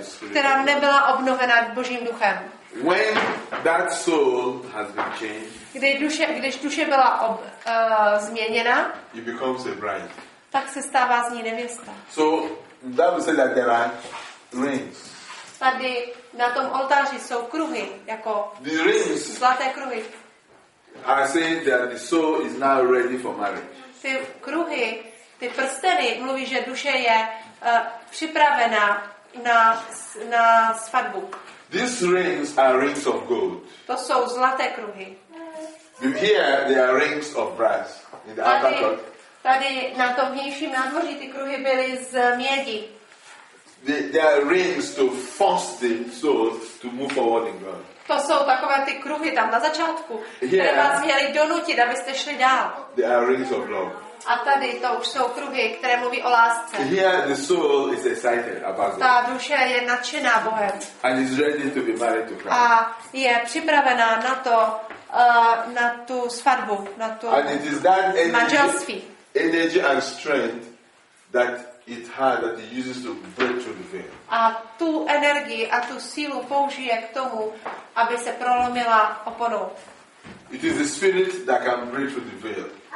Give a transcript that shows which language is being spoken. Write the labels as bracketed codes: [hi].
[cs] Která nebyla obnovena Božím duchem. [en] When that soul has been changed, [cs] když duše byla změněna, [en] it becomes a bride. [cs] Tak se stává z ní nevěsta. [en] So that would say that there are rings. [cs] Tady na tom oltáři jsou kruhy, jako [en] the rings, [cs] zlaté kruhy. [en] I say that the soul is now ready for marriage. [cs] Ty kruhy, ty prsteny, mluví, že duše je připravena na svatbu. [en] These rings are rings of gold. [cs] To jsou zlaté kruhy. [en] Here they are rings of brass in the outer court. [cs] Tady na tom vnějším nádvoří ty kruhy byly z mědi. [en] They are rings to force the soul to move forward in God. [cs] To jsou takové ty kruhy tam na začátku, here, které vás měly donutit, abyste šli dál. [en] They are rings of love. [cs] A tady to už jsou kruhy, které mluví o lásce. [en] Here the soul is excited about [cs] ta duše je nadšená Bohem. [en] And is ready to be married to Christ. [cs] A je připravená na to, na tu svatbu, na tu manželství. [en] Energy and strength that it has that it uses to break through the veil. [cs] A tu energii a tu sílu použije k tomu, aby se prolomila oponou. [en] It is the spirit that can break through the veil.